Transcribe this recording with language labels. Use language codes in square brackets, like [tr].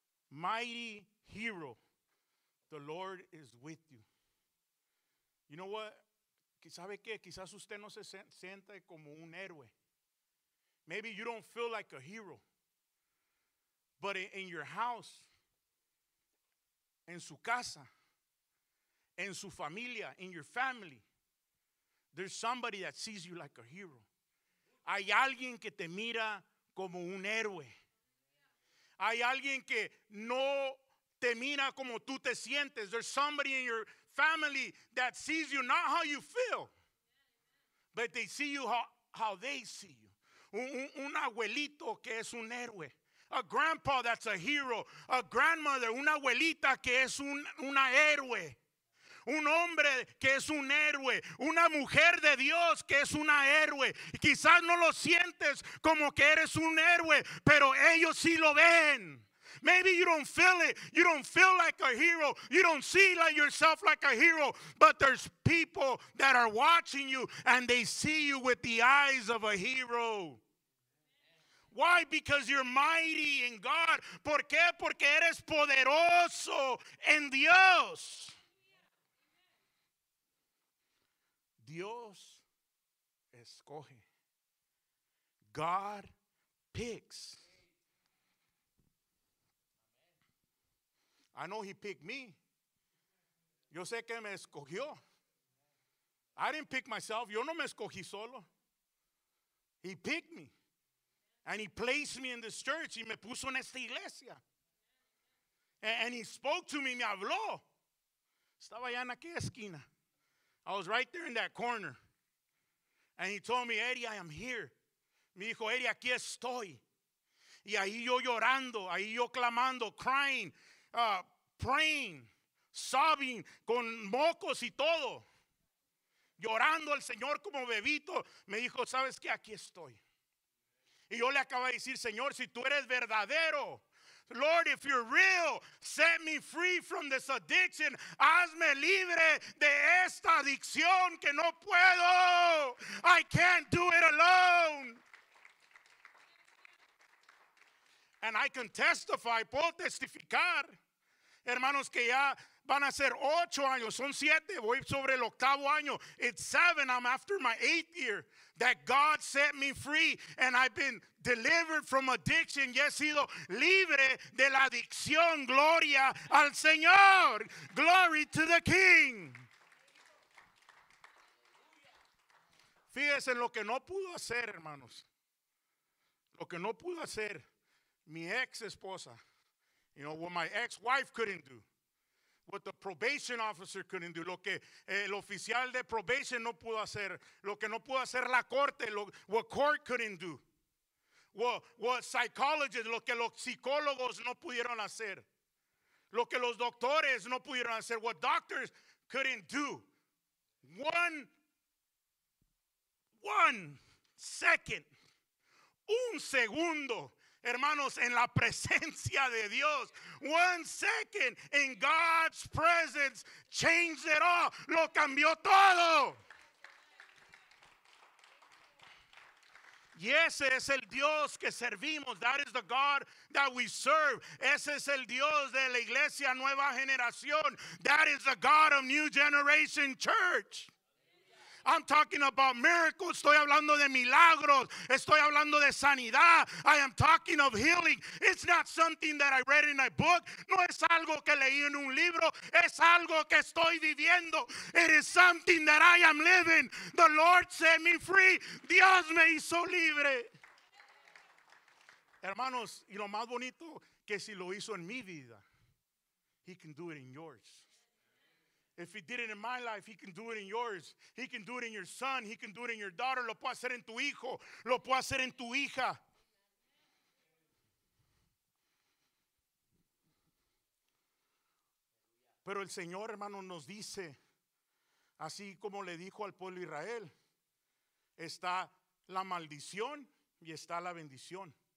[en] Mighty hero, the Lord is with you. You know what? [es] ¿Sabe qué? Quizás usted no se siente como un héroe. [en] Maybe you don't feel like a hero. But in your house, [es] en su casa, en su familia, [en] in your family, there's somebody that sees you like a hero. [es] Hay alguien que te mira como un héroe. Hay alguien que no te mira como tú te sientes. [en] There's somebody in your family that sees you not how you feel, but they see you how they see you. [es] Un abuelito que es un héroe. [en] a grandpa that's a hero, a grandmother, [es] una abuelita que es una héroe, un hombre que es un héroe, una mujer de Dios que es una héroe. Y quizás no lo sientes como que eres un héroe, pero ellos sí lo ven. [en] Maybe you don't feel it. You don't feel like a hero. You don't see like yourself like a hero. But there's people that are watching you, and they see you with the eyes of a hero. Why? Because you're mighty in God. [es] ¿Por qué? Porque eres poderoso en Dios. Dios escoge. [en] God picks. I know he picked me. [es] Yo sé que me escogió. [en] I didn't pick myself. [es] Yo no me escogí solo. [en] He picked me. And he placed me in this church. [es] Y me puso en esta iglesia. [en] And he spoke to me. [es] Me habló. Estaba allá en aquella esquina. [en] I was right there in that corner. And he told me, Eddie, I am here. [es] Me dijo, Eddie, aquí estoy. Y ahí yo llorando. Ahí yo clamando, [en] crying. Praying, sobbing, [es] con mocos y todo, llorando al Señor como bebito, me dijo, ¿sabes qué? Aquí estoy. Y yo le acabo de decir, Señor, si tú eres verdadero, [en] Lord, if you're real, set me free from this addiction. [es] Hazme libre de esta adicción que no puedo. [en] I can't do it alone. And I can testify, [es] puedo testificar. Hermanos, que ya van a ser 8 años, son 7, voy sobre el octavo año. [en] It's 7, I'm after my 8th year that God set me free and I've been delivered from addiction. [es] Ya he sido libre de la adicción. Gloria al Señor. [en] Glory to the King. [es] Fíjense en lo que no pudo hacer, hermanos. Lo que no pudo hacer mi ex esposa. [en] You know, what my ex-wife couldn't do. What the probation officer couldn't do. [es] Lo que el oficial de probation no pudo hacer. Lo que no pudo hacer la corte. [en] What court couldn't do. What psychologists, [es] lo que los psicólogos no pudieron hacer. Lo que los doctores no pudieron hacer. [en] What doctors couldn't do. One second. [es] Un segundo. Hermanos, en la presencia de Dios, [en] one second in God's presence changed it all. [es] Lo cambió todo. Y ese es el Dios que servimos. [en] That is the God that we serve. [es] Ese es el Dios de la iglesia nueva generación. [en] That is the God of New Generation Church. I'm talking about miracles. [es] Estoy hablando de milagros. Estoy hablando de sanidad. [en] I am talking of healing. It's not something that I read in a book. [es] No es algo que leí en un libro. Es algo que estoy viviendo. [en] It is something that I am living. The Lord set me free. [es] Dios me hizo libre. Hermanos, y lo más bonito, que si lo hizo en mi vida, [en] he can do it in yours. If he did it in my life, he can do it in yours. He can do it in your son. He can do it in your daughter. [es] Lo puede hacer en tu hijo. Lo puede hacer en tu hija. Pero el Señor, hermano, nos dice, así como le dijo al pueblo de Israel, está la maldición y está la bendición.